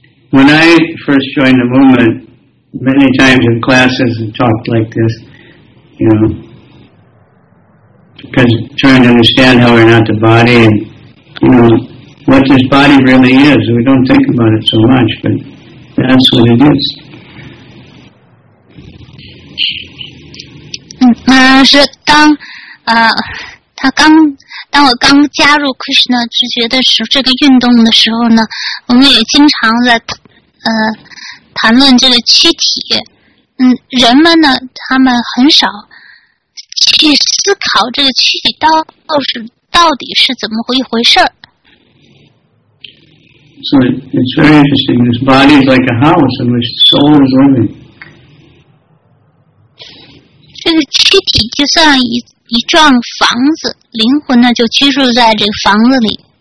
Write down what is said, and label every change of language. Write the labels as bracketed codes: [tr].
[en] When I first joined the movement, many times in classes and talked like this, you know, because trying to understand how we're not the body and, you know, what this body really is. We don't think about it so much, but that's what it is. [zh] 当我刚加入 Krishna 直觉的时候，这个运动的时候呢，我们也经常在谈论这个躯体。人们呢，他们很少去思考这个躯体到底是怎么一回事。 [en] So it's very interesting. This body is like a house in which the soul is living. [zh] 这个躯体就像一幢房子，灵魂呢就居住在这个房子里。